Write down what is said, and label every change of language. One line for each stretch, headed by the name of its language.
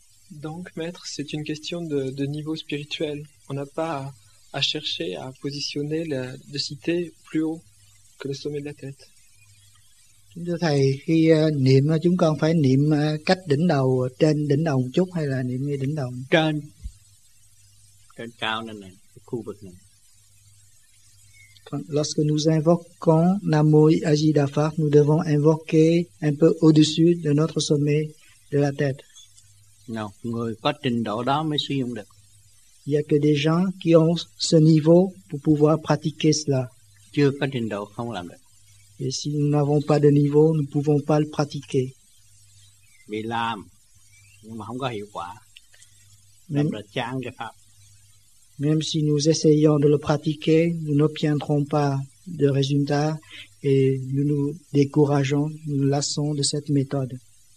French: Donc, maître, c'est une question de niveau spirituel. On n'a pas à chercher à positionner la de cité plus haut que le sommet de la tête.
Vietnamese: Chúng thưa thầy, khi niệm chúng con phải niệm cách đỉnh đầu, trên đỉnh đầu một chút hay là niệm ngay đỉnh đầu? Trên cao này này, khu vực này.
French: Quand, lorsque nous invoquons Namo Ajida Pha, nous devons invoquer un peu au-dessus de notre sommet de la tête.
Vietnamese: Non, người có trình độ đó mới sử dụng được.
French: Il y a que des gens qui ont ce niveau pour pouvoir pratiquer cela.
Vietnamese: Chưa có trình độ không làm được.
French: Et si nous n'avons pas de niveau, nous ne pouvons pas le pratiquer.
Vietnamese: Bị làm, nhưng mà không có hiệu quả. Même, là chán cái pháp.
French: Même si nous essayons de le pratiquer, nous n'obtiendrons pas de résultats et nous nous décourageons, nous lassons de cette méthode.